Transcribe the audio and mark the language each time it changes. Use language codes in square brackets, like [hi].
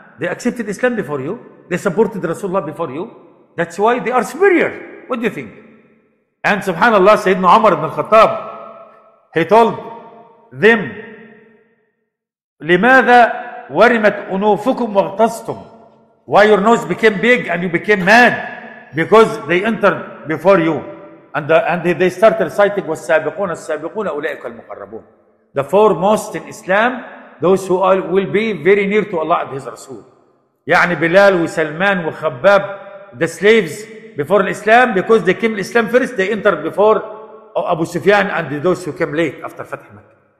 [en] They accepted Islam before you. They supported Rasulullah before you. That's why they are superior. What do you think? And subhanAllah, Sayyidina Umar ibn al-Khattab, he told them, [ar] لماذا ورمت أنوفكم واغتصتم? [en] Why your nose became big and you became mad? Because they entered before you. And they started reciting, [ar] والسابقون السابقون أولئك المقربون. [en] The foremost in Islam, those who all will be very near to Allah and His Rasul. [ar] يعني بلال وسلمان وخباب, [en] the slaves before Islam, because they came Islam first, they entered before Abu Sufyan and those who came late after Fatih Makkah.